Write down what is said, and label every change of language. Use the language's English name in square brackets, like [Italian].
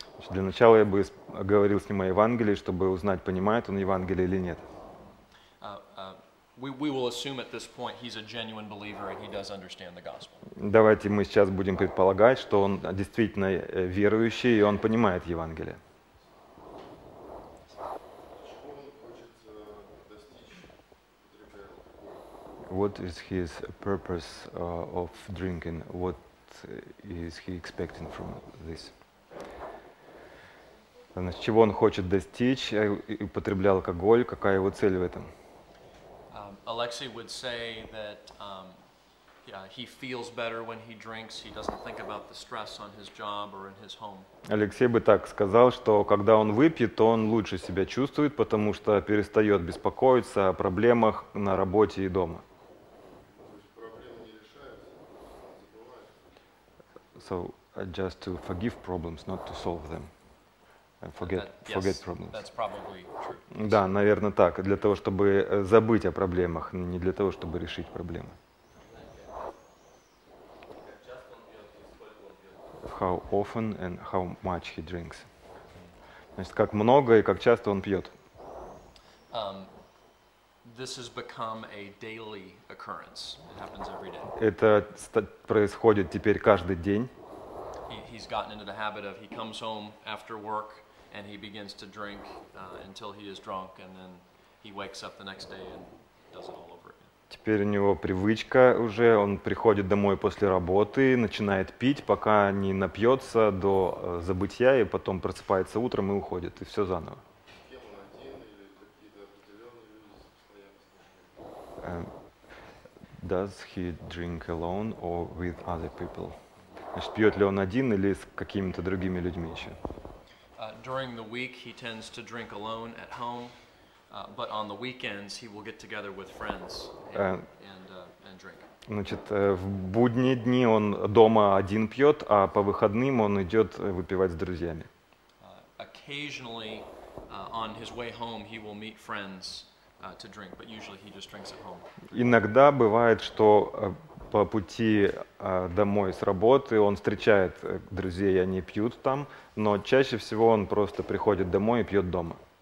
[Russian] Для начала я бы говорил с ним о Евангелии, чтобы узнать, понимает он Евангелие или нет. [English] We will assume at this point he's a genuine believer and he does understand the gospel. [Russian] Давайте мы сейчас будем предполагать, что он действительно верующий и он понимает Евангелие. [English] What is his purpose of drinking? What is he expecting from this? [Russian] Значит, чего он хочет достичь, употребляя алкоголь, какая его цель в этом? [English] Alexei would say that he feels better when he drinks, he doesn't think about the stress on his job or in his home. [Russian] Алексей бы так сказал, что когда он выпьет, то он лучше себя чувствует, потому что перестает беспокоиться о проблемах на работе и дома. [English] So just to forgive problems, not to solve them, and forget problems. That's probably true. [Russian] Да, наверное, так. Для того, чтобы забыть о проблемах, не для того, чтобы решить проблемы. [English] How often and how much he drinks? [Russian] Значит, как много и как часто он пьет? [English] This has become a daily occurrence. It happens every day. [Russian] Это происходит теперь каждый день. [English] He's gotten into the habit of he comes home after work and he begins to drink until he is drunk and then he wakes up the next day and [Russian] Теперь у него привычка уже, он приходит домой после работы, начинает пить, пока не напьется до забытия, и потом просыпается утром и уходит, и все заново. [English] Does he drink alone or with other people? [Russian] Значит, пьет ли он один или с какими-то другими людьми еще? [English] During the week he tends to drink alone at home. But on the weekends he will get together with friends and drink. [Russian] Значит, в будние дни он дома один пьет, а по выходным он идет выпивать с друзьями. [English] Occasionally, on his way home, he will meet friends to drink, but usually he just drinks at home. [Russian] Иногда бывает, что по пути домой с работы он встречает друзей, они пьют там, но чаще всего он просто приходит домой и пьет дома.